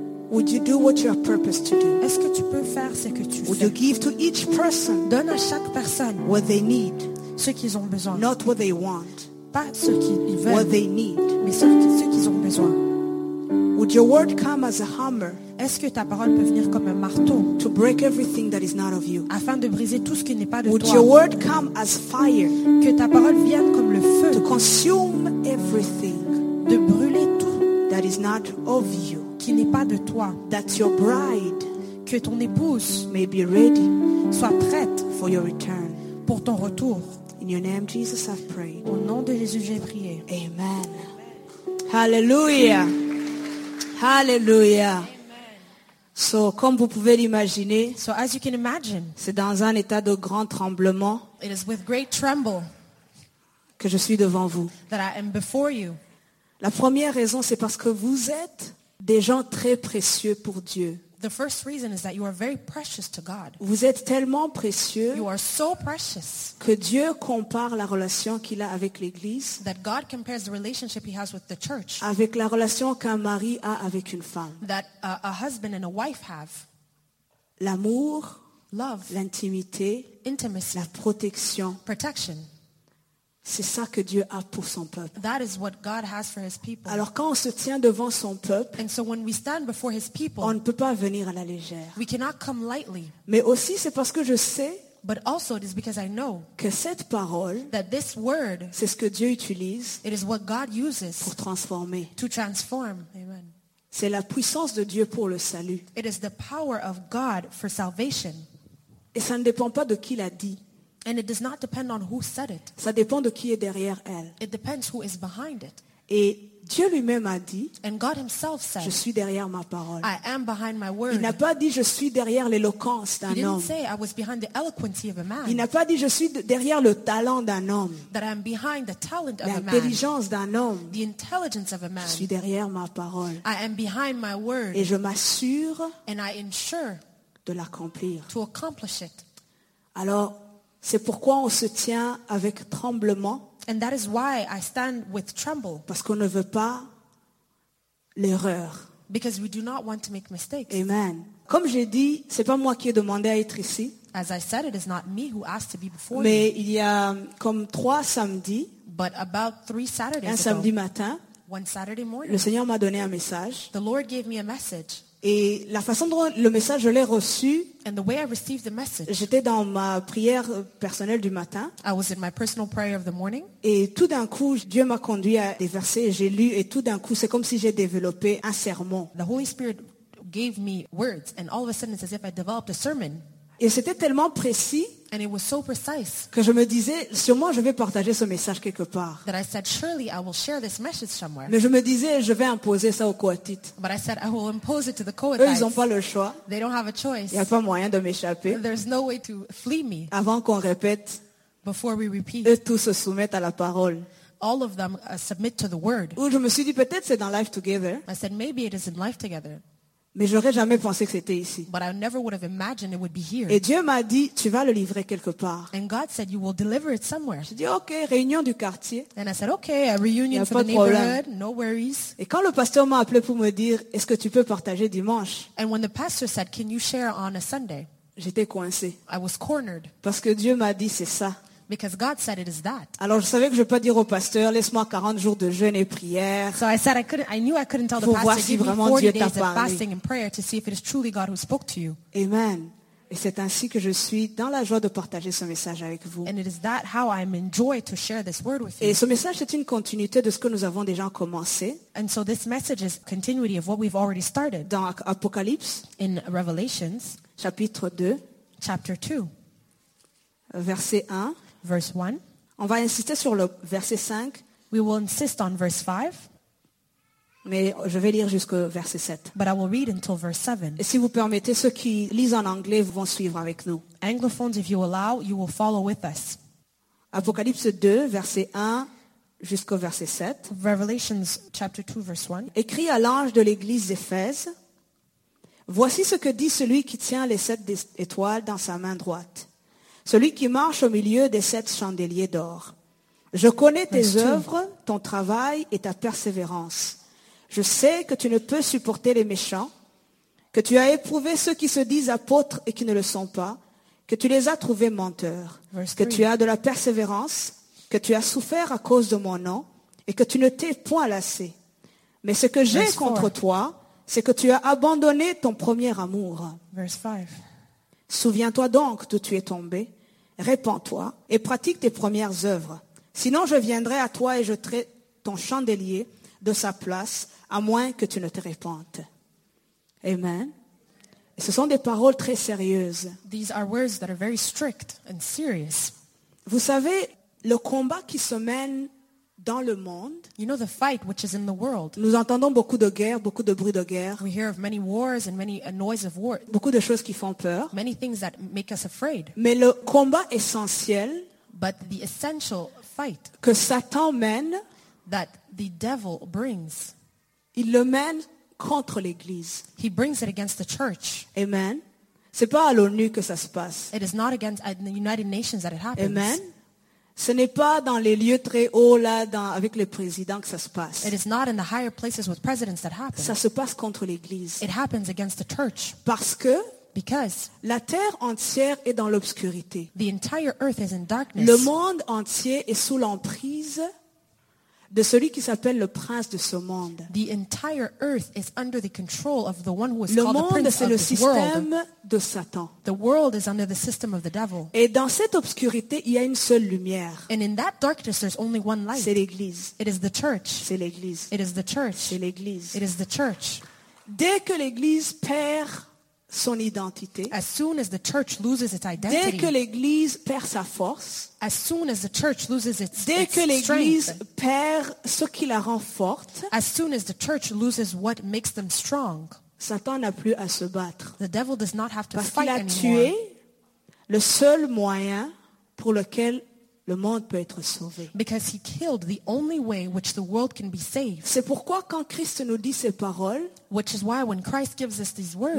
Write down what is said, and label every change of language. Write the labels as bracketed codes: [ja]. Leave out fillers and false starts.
[en] Would you do what you are purposed to do? [fr] Est-ce que tu peux faire ce que tu [en] would [fr] fais? [en] Would you give to each person? [fr] Donne à chaque personne. [en] What they need. [fr] Ce qu'ils ont besoin. [en] Not what they want. [fr] Pas ce qu'ils veulent. [en] What they need. [fr] Mais ce qu'ils ont besoin. [en] Would your word come as a hammer? [fr] Est-ce que ta parole peut venir comme un marteau? [en] To break everything that is not of you. [fr] Afin de briser tout ce qui n'est pas de [en] would [fr] toi. [en] Your word come as fire? [fr] Que ta parole vienne comme le feu. [en] To consume everything. [fr] De brûler tout. [en] That is not of you. [fr] Qui n'est pas de toi. [en] That your bride. [fr] Que ton épouse. [en] May be ready. [fr] Soit prête. [en] For your return. [fr] Pour ton retour. [en] In your name, Jesus, I've prayed. [fr] Au nom de Jésus, j'ai prié. [en] Amen. Hallelujah. Hallelujah. [fr] So, comme vous pouvez l'imaginer, [en] so as you can imagine, [fr] c'est dans un état de grand tremblement [en] it is with great tremble [fr] que je suis devant vous. [en] That I am before you. [fr] La première raison, c'est parce que vous êtes des gens très précieux pour Dieu. [en] The first reason is that you are very precious to God. [fr] Vous êtes tellement précieux, [en] you are so precious, [fr] que Dieu compare la relation qu'il a avec l'église, [en] that God compares the relationship he has with the church, [fr] avec la relation qu'un mari a avec une femme, [en] that a husband and a wife have. [fr] L'amour, [en] love, [fr] l'intimité, [en] intimacy, [fr] la protection, [en] protection. [fr] C'est ça que Dieu a pour son peuple. [en] That is what God has for his people. [fr] Alors quand on se tient devant son peuple, [en] and so when we stand before his people, [fr] on ne peut pas venir à la légère. [en] We cannot come lightly. [fr] Mais aussi c'est parce que je sais, [en] but also it is because I know, [fr] que cette parole, [en] that this word, [fr] c'est ce que Dieu utilise, [en] it is what God uses, [fr] pour transformer. [en] To transform. Amen. [fr] C'est la puissance de Dieu pour le salut. [en] It is the power of God for salvation. [fr] Et ça ne dépend pas de qui l'a dit. [en] And it does not depend on who said it. [fr] Ça dépend de qui est derrière elle. [en] It depends who is behind it. [fr] Et Dieu lui-même a dit, [en] and God himself said, [fr] je suis derrière ma parole. [en] I am behind my word. [fr] Il n'a pas dit, je suis derrière l'éloquence d'un homme. [en] He didn't say, I was behind the eloquency of a man. [fr] Il n'a pas dit, je suis derrière le talent d'un homme. [en] That I am behind the talent of a man. [fr] L'intelligence d'un homme. [en] The intelligence of a man. [fr] Je suis derrière ma parole. [en] I am behind my word. [fr] Et je m'assure, [en] and I ensure, [fr] de l'accomplir. [en] To accomplish it. [fr] Alors, c'est pourquoi on se tient avec tremblement. [en] And that is why I stand with tremble. [fr] Parce qu'on ne veut pas l'erreur. [en] Because we do not want to make mistakes. Amen. [fr] Comme j'ai dit, c'est pas moi qui ai demandé à être ici. [en] As I said, it is not me who asked to be before. [fr] Mais [en] you. [fr] Il y a comme trois samedis. [en] But about three Saturdays. [fr] Un samedi [en] ago, [fr] matin. [en] One Saturday morning. [fr] Le Seigneur m'a donné un message. [en] The Lord gave me a message. [fr] Et la façon dont le message je l'ai reçu, [en] and the way I received the message, [fr] j'étais dans ma prière personnelle du matin. [en] I was in my personal prayer of the morning. [fr] Et tout d'un coup, Dieu m'a conduit à des versets, j'ai lu, et tout d'un coup, c'est comme si j'ai développé un sermon. [en] The Holy Spirit gave me words, and all of a sudden, it's as if I developed a sermon. [fr] Et c'était tellement précis, [en] and it was so precise, [fr] que je me disais, sûrement je vais partager ce message quelque part. [en] That I said, surely I will share this message somewhere. [fr] Mais je me disais, je vais imposer ça aux Kohathites. [en] But I said, I will impose it to the Kohathites. [fr] Eux, ils n'ont pas le choix. [en] They don't have a choice. [fr] Il n'y a pas moyen de m'échapper. [en] There's no way to flee me. [fr] Avant qu'on répète, [en] before we repeat, [fr] eux tous se soumettent à la parole. [en] All of them submit to the word. [fr] Ou je me suis dit, peut-être c'est dans Life Together. [en] I said, maybe it is in Life Together. [fr] Mais j'aurais jamais pensé que c'était ici. [en] But I never would have imagined it would be here. [fr] Et Dieu m'a dit, tu vas le livrer quelque part. [en] And God said, you will deliver it somewhere. [fr] J'ai dit, ok, réunion du quartier. [en] And I said, okay, a reunion for the neighborhood, no worries. [fr] Et quand le pasteur m'a appelé pour me dire, est-ce que tu peux partager dimanche? [en] And when the pastor said, can you share on a Sunday? [fr] J'étais coincé. [en] I was cornered. [fr] Parce que Dieu m'a dit, c'est ça. [en] Because God said it is that. [fr] Alors je savais que je peux dire au pasteur, laisse-moi 40 jours de jeûne et prière. [en] So I said I knew I couldn't tell the pastor, [fr] voir si vraiment Dieu t'a parlé. [en] Fasting and prayer to see if it is truly God who spoke to you. Amen. [fr] Et c'est ainsi que je suis dans la joie de partager ce message avec vous. [en] And it is that how I'm in joy to share this word with you. [fr] Et ce message c'est une continuité de ce que nous avons déjà commencé. [en] And so this message is continuity of what we've already started. [fr] Dans Apocalypse, [en] in Revelations, [fr] chapitre 2, [en] chapter 2, [fr] verset 1. [en] Verse 1. [fr] On va insister sur le verset 5. [en] We will insist on verse 5. [fr] Mais je vais lire jusqu'au verset 7. [en] But I will read until verse 7. [fr] Et si vous permettez, ceux qui lisent en anglais vont suivre avec nous. [en] Anglophones, if you allow, you will follow with us. [fr] Apocalypse 2, verset 1 jusqu'au verset 7. [en] Revelations chapter 2, verse 1. [fr] Écrit à l'ange de l'église d'Éphèse. Voici ce que dit celui qui tient les sept étoiles dans sa main droite. Celui qui marche au milieu des sept chandeliers d'or. Je connais tes œuvres, ton travail et ta persévérance. Je sais que tu ne peux supporter les méchants, que tu as éprouvé ceux qui se disent apôtres et qui ne le sont pas, que tu les as trouvés menteurs, que tu as de la persévérance, que tu as souffert à cause de mon nom et que tu ne t'es point lassé. Mais ce que j'ai contre toi, c'est que tu as abandonné ton premier amour. [en] Verse 5. [fr] Souviens-toi donc d'où tu es tombé, répands-toi et pratique tes premières œuvres. Sinon, je viendrai à toi et jetterai ton chandelier de sa place, à moins que tu ne te répandes. Amen. Et ce sont des paroles très sérieuses. [en] These are words that are very strict and serious. [fr] Vous savez, le combat qui se mène dans le monde, [en] you know, the fight which is in the world. [fr] Nous entendons beaucoup de guerres, beaucoup de bruits de guerre. [en] We hear of many wars and many a noise of war. [fr] Beaucoup de choses qui font peur. [en] Many things that make us afraid. [fr] Mais le combat essentiel, [en] but the essential fight, [fr] que Satan mène, [en] that the devil brings, [fr] il le mène contre l'Église. [en] He brings it against the church. Amen. [fr] C'est pas à l'ONU que ça se passe. [en] It is not against the United Nations that it happens. Amen. [fr] Ce n'est pas dans les lieux très hauts là, avec le président que ça se passe. [en] It is not in the higher places with presidents that happen. [fr] Ça se passe contre l'Église. [en] It happens against the church. [fr] Parce que, [en] because [fr] la terre entière est dans l'obscurité. [en] The entire earth is in darkness. [fr] Le monde entier est sous l'emprise de celui qui s'appelle le prince de ce monde. [en] The entire earth is under the control of the one who is [fr] le [en] called [fr] monde, [en] the prince of this world. [fr] Le monde, c'est le système de Satan. [en] The world is under the system of the devil. [fr] Et dans cette obscurité, il y a une seule lumière. [en] And in that darkness, there's only one light. [fr] C'est l'Église. [en] It is the church. [fr] C'est l'Église. [en] It is the church. [fr] C'est l'Église. [en] It is the church. [fr] Dès que l'Église perd son identité, [en] as soon as the church loses its identity, [fr] dès que l'église perd sa force, [en] as soon as the church loses its [fr] dès [en] its [fr] que l'église [en] strength, [fr] perd ce qui la rend forte, [en] as soon as the church loses what makes them strong, [fr] Satan n'a plus à se battre. [en] The devil does not have to [fr] parce [en] fight [fr] qu'il a [en] anymore. [fr] Tué le seul moyen pour lequel le monde peut être sauvé. [en] Because he killed the only way which the world can be saved. [fr] C'est pourquoi quand Christ nous dit ces paroles, [en] which is why when Christ gives us these words,